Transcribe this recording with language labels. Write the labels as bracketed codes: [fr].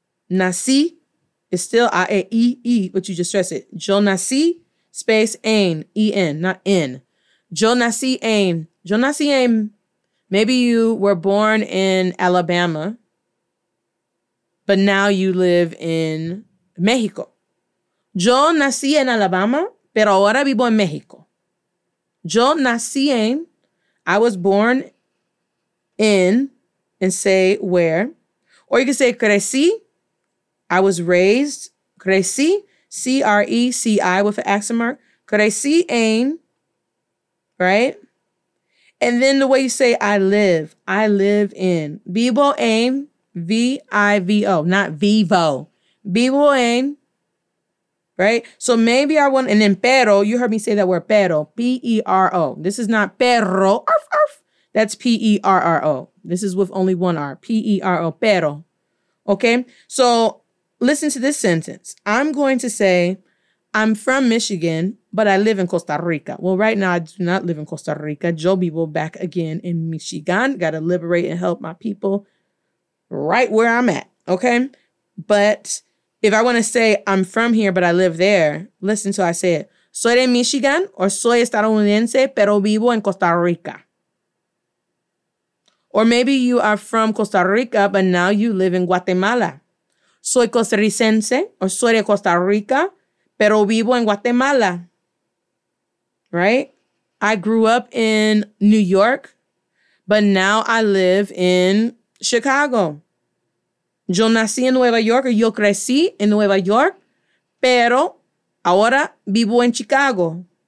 [en] Nací is still I-A-E-E, but you just stress it. [es] Yo nací [en] space en, E-N, not N. [es] Yo nací en. [en] Maybe you were born in Alabama, but now you live in Mexico. [es] Yo nací en Alabama, pero ahora vivo en Mexico. Yo nací en, [en] I was born in, and say where. Or you can say crecí, I was raised, crecí, C-R-E-C-I with an accent mark. [es] Crecí en, [en] right? And then the way you say I live in. Vivo en, V-I-V-O, not vivo. [es] Vivo en, right? [en] So maybe I want, and then pero, you heard me say that word pero, P-E-R-O. This is not perro, arf, arf. That's P-E-R-R-O. This is with only one R, P-E-R-O, pero. Okay? So listen to this sentence. I'm going to say I'm from Michigan, but I live in Costa Rica. Well, right now, I do not live in Costa Rica. [es] Yo vivo [en] back again in Michigan. Got to liberate and help my people right where I'm at, okay? But if I want to say I'm from here, but I live there, listen to how I say it. [es] Soy de Michigan or soy estadounidense, pero vivo en Costa Rica. [en] Or maybe you are from Costa Rica, but now you live in Guatemala. [es] Soy costarricense or soy de Costa Rica, pero vivo en Guatemala, right? [en] I grew up in New York, but now I live in Chicago. [es] Yo nací en Nueva York, or yo crecí en Nueva York, pero ahora vivo en Chicago.